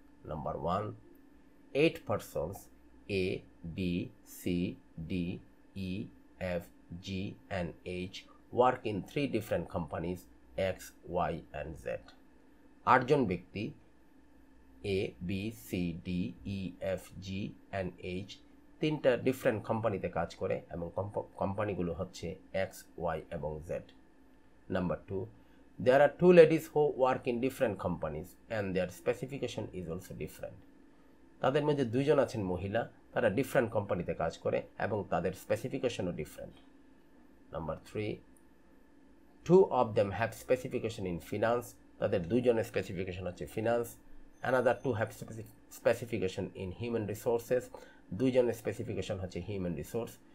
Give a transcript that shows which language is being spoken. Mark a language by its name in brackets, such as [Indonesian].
[English] Number one, 8 persons A B C D E F G and H work in 3 different companies X Y and Z. [Bangla] 8 জন ব্যক্তি A B C D E F G and H 3টা different কোম্পানিতে কাজ করে এবং কোম্পানিগুলো হচ্ছে x Y এবং Z. [English] Number two, There are 2 ladies who work in different companies and their specification is also different. [Bangla] তাদের মধ্যে দুইজন আছেন মহিলা, তারা ডিফারেন্ট কোম্পানিতে কাজ করে এবং তাদের স্পেসিফিকেশনও different. [English] number three, 2 of them have specification in finance, [Bangla] তাদের দুইজনের স্পেসিফিকেশন হচ্ছে finance. [English] another 2 have specification in human resources, [Bangla] দুইজনের স্পেসিফিকেশন হচ্ছে হিউম্যান রিসোর্স।